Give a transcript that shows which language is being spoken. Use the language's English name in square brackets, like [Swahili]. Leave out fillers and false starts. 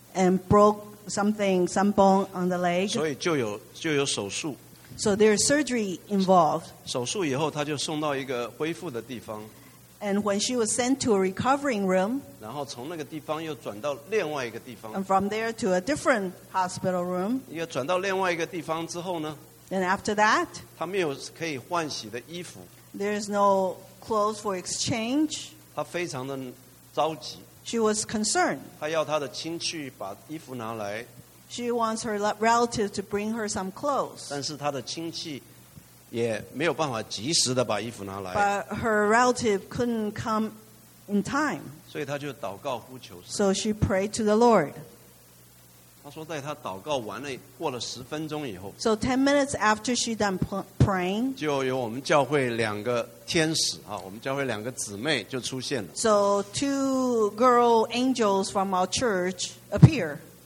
[English] And broke something, some bone on the leg. [Chinese] 所以就有手术。 [English] So there's surgery involved. [Chinese] 手术以后，他就送到一个恢复的地方。 [English] And when she was sent to a recovering room, [Chinese] 然后从那个地方又转到另外一个地方。 [English] And from there to a different hospital room. [Chinese] 又转到另外一个地方之后呢, [English] and after that, [Chinese] 他没有可以换洗的衣服。 [English] There's no clothes for exchange. [Chinese] 他非常的着急。 [English] She was concerned. [Chinese] 她要她的亲戚把衣服拿来。 [English] She wants her relative to bring her some clothes. [Chinese] 但是她的亲戚也没有办法及时的把衣服拿来。 [English] But her relative couldn't come in time. [Chinese] 所以她就祷告呼求神。 [English] So she prayed to the Lord. [Chinese] 她说在她祷告完了过了十分钟以后， [English] So 10 minutes after she done praying, [Chinese] 就有我们教会两个天使，我们教会两个姊妹就出现了。 [English] So two girl angels from our church appear.